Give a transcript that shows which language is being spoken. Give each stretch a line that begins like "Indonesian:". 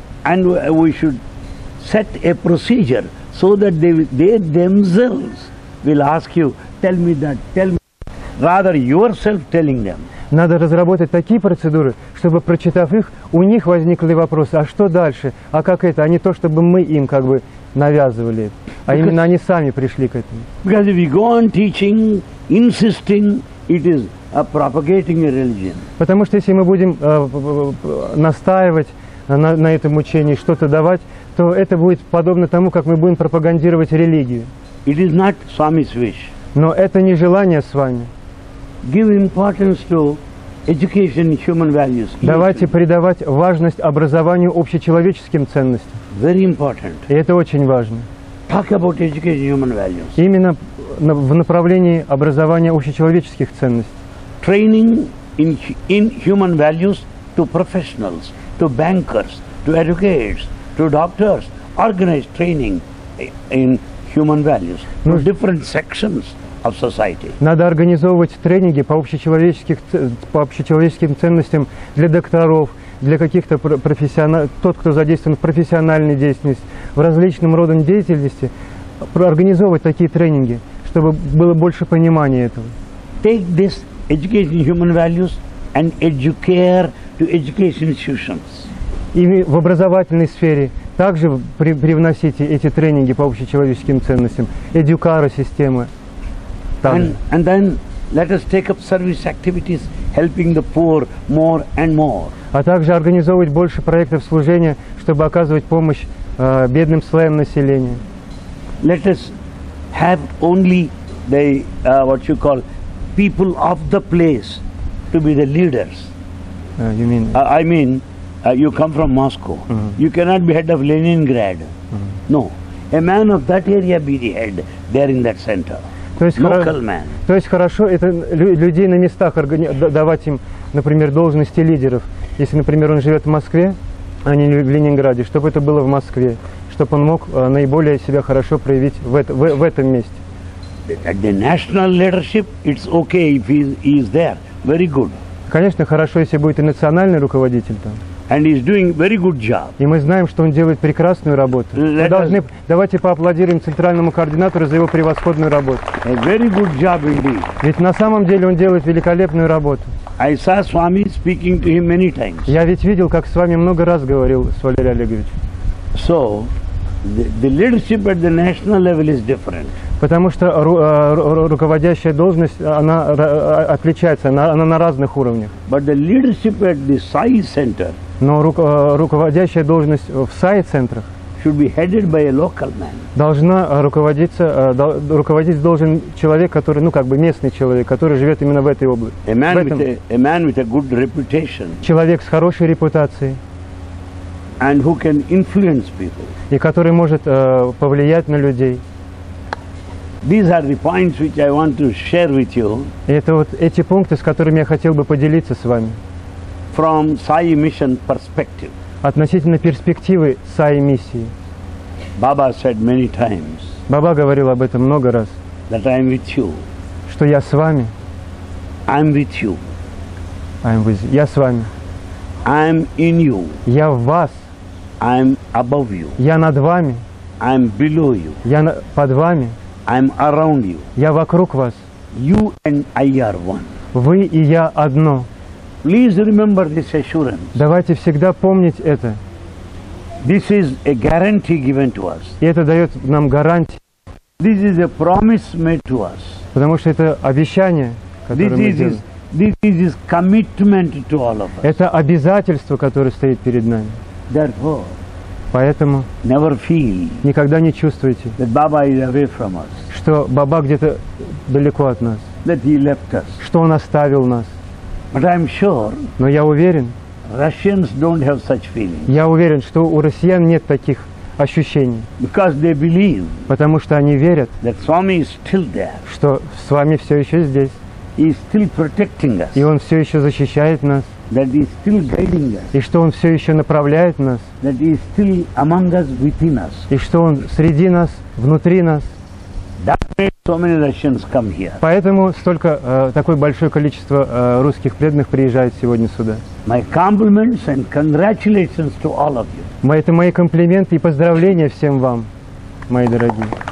English: And we should set a procedure so that they themselves will ask you, tell me that, tell me. Rather yourself telling them.
Russian: Надо разработать такие процедуры, чтобы, прочитав их, у них возникли вопросы, а что дальше, а как это, а не то, чтобы мы им как бы навязывали, а
English: because,
Russian: именно они сами пришли к этому.
English: Because if we go on teaching, insisting, it is a propagating a religion.
Russian: Потому что если мы будем настаивать на этом учении, что-то давать, то это будет подобно тому, как мы будем пропагандировать религию.
English: It is not Swami's wish.
Russian: Но это не желание Свами.
English: Give importance to education, human values.
Russian: Давайте придавать важность образованию, общечеловеческим ценностям.
English: Very important.
Russian: И это очень важно.
English: Talk about education, human values.
Russian: Именно в направлении образования общечеловеческих ценностей.
English: Training in human values to professionals, to bankers, to educators, to doctors. Organized training in human values to different sections.
Russian: Надо организовывать тренинги по общечеловеческим ценностям для докторов, для каких-то профессионалов, тот, кто задействован в профессиональной деятельности, в различном роде деятельности, организовывать такие тренинги, чтобы было больше понимания этого.
English: Take this education human values and educate to education institutions.
Russian: И в образовательной сфере также привносите эти тренинги по общечеловеческим ценностям, эдюкара системы.
English: And then let us take up service activities, helping the poor more and more.
Russian: А также организовывать больше проектов служения, чтобы оказывать помощь бедным слоям населения.
English: Let us have only the what you call people of the place to be the leaders. You mean? You come from Moscow. Mm-hmm. You cannot be head of Leningrad. Mm-hmm. No, a man of that area be the head there in that center.
Russian: То есть хорошо это людей на местах давать им, например, должности лидеров. Если, например, он живет в Москве, а не в Ленинграде, чтобы это было в Москве, чтобы он мог наиболее себя хорошо проявить в этом месте.
English: At the national leadership, it's okay if he is there. Very good.
Russian: Конечно, хорошо, если будет и национальный руководитель там.
English: And he's doing very good job.
Russian: И мы знаем, что он делает прекрасную работу. Давайте поаплодируем центральному координатору за его превосходную работу.
English: A very good job indeed.
Russian: Ведь на самом деле он делает великолепную работу.
English: I saw Swami speaking to him many times.
Russian: Я ведь видел, как с вами много раз говорил с Валерием Олеговичем.
English: So, the leadership at the national level is different.
Russian: Потому что руководящая должность, она отличается, она на разных уровнях.
English: But the leadership at the SAI center.
Russian: Но руководящая должность в САИ-центрах
English: should be headed by a local man.
Russian: Должна руководиться, руководить должен человек, который, ну как бы местный человек, который живет именно в этой области.
English: A man with a good reputation.
Russian: Человек с хорошей репутацией.
English: And who can influence people.
Russian: И который может повлиять на людей.
English: These are the points which I want to share with you.
Russian: Это вот эти пункты, с которыми я хотел бы поделиться с вами.
English: From Sai mission perspective.
Russian: Относительно перспективы Sai миссии.
English: Baba said many times.
Russian: Баба говорил об этом много раз.
English: That I am with you.
Russian: Что я с вами.
English: I am with you. I am with you.
Russian: Я с вами.
English: I am in you.
Russian: Я в вас.
English: I am above you.
Russian: Я над вами.
English: I am below you.
Russian: Я под вами.
English: I am around you.
Russian: Я вокруг вас.
English: You and I are one.
Russian: Вы и я одно.
English: Please remember this assurance.
Russian: Давайте всегда помнить это.
English: This is a guarantee given to us.
Russian: И это дает нам гарантию.
English: This is a promise made to us.
Russian: Потому что это обещание, которое мы делаем.
English: This is commitment to all of us.
Russian: Это обязательство, которое стоит перед нами.
English: Therefore,
Russian: Поэтому
English: never feel
Russian: никогда не чувствуйте,
English: that Baba is away from us,
Russian: что Баба где-то далеко от нас,
English: that he left us,
Russian: что он оставил нас.
English: But I'm sure,
Russian: но я уверен,
English: Russians don't have such feelings.
Russian: Я уверен, что у россиян нет таких ощущений.
English: Because they believe,
Russian: потому что они верят,
English: that Swami is still there,
Russian: что Свами все еще здесь.
English: He is still protecting us.
Russian: И он все еще защищает нас.
English: That he is still guiding us.
Russian: И что он все еще направляет нас.
English: That he is still among us, within us.
Russian: И что он среди нас, внутри нас.
English: That's why so many Russians come here.
Russian: Поэтому столько такое большое количество русских преданных приезжает сегодня сюда.
English: My compliments and congratulations to all of you.
Russian: Это мои комплименты и поздравления всем вам, мои дорогие.